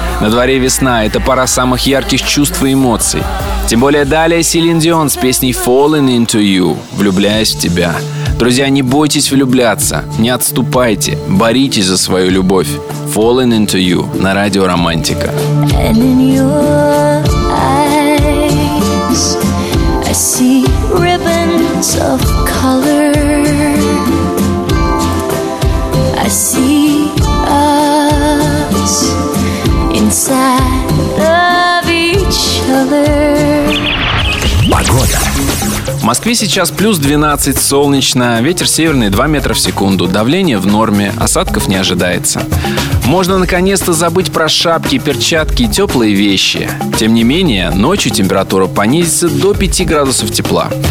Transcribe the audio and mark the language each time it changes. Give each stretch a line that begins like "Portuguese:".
Russian: На дворе весна, это пора самых ярких чувств и эмоций. Тем более далее Селин Дион с песней «Falling into you» – «Влюбляясь в тебя». Друзья, не бойтесь влюбляться, не отступайте, боритесь за свою любовь. «Falling into you» на Радио Романтика.
English: And in your eyes, I see ribbons of color. I see us inside of each other.
Russian: Погода. В Москве сейчас плюс 12, солнечно, ветер северный 2 метра в секунду, давление в норме, осадков не ожидается. Можно наконец-то забыть про шапки, перчатки и теплые вещи. Тем не менее, ночью температура понизится до 5 градусов тепла.